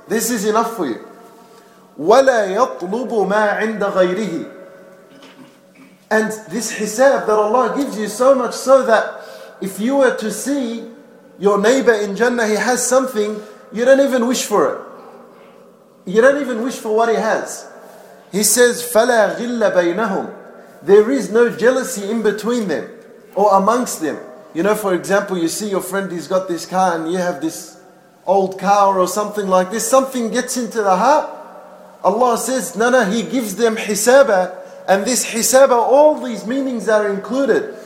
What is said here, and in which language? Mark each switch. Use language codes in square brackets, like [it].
[en] This is enough for you. [ar] وَلَا يَطْلُبُ مَا عِنْدَ غَيْرِهِ. [en] And this hisab that Allah gives you, so much so that if you were to see your neighbor in Jannah, he has something, you don't even wish for it. You don't even wish for what he has. He says, [ar] فَلَا غِلَّ بَيْنَهُمْ. [en] There is no jealousy in between them or amongst them. You know, for example, you see your friend, he's got this car and you have this old car or something like this. Something gets into the heart. Allah says, no, He gives them hisaba. And this hisaba, all these meanings are included.